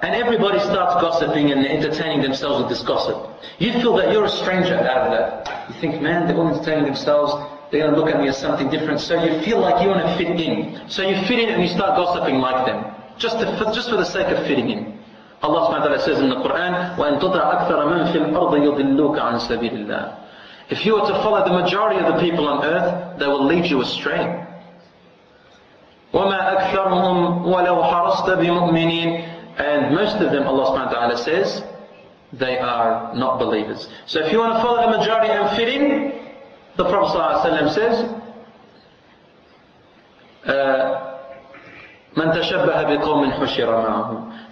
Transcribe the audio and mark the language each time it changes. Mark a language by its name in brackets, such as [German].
[English] And everybody starts gossiping and entertaining themselves with this gossip. You feel that you're a stranger out of that. You think, man, they're all entertaining themselves. They're going to look at me as something different. So you feel like you want to fit in. So you fit in and you start gossiping like them. Just for the sake of fitting in. Allah subhanahu wa ta'ala says in the Quran, [Arabic] وَإِنْ تُطَعْ أَكْثَرَ مَنْ فِي الْأَرْضِ يُضِلُّكَ عَنْ سَبِيلِ اللَّهِ. [English] If you were to follow the majority of the people on earth, they will lead you astray. [Arabic] وَمَا أَكْثَرُهُمْ وَلَوْ حَرَصْتَ بِمُؤْمِنِينَ. [English] And most of them, Allah subhanahu wa ta'ala says, they are not believers. So if you want to follow the majority and fit in, the Prophet sallallahu alayhi wa sallam says, [Arabic] مَنْ تَشَبَّهَ بِقَوْمٍ حُشِرَ مَعَهُمْ.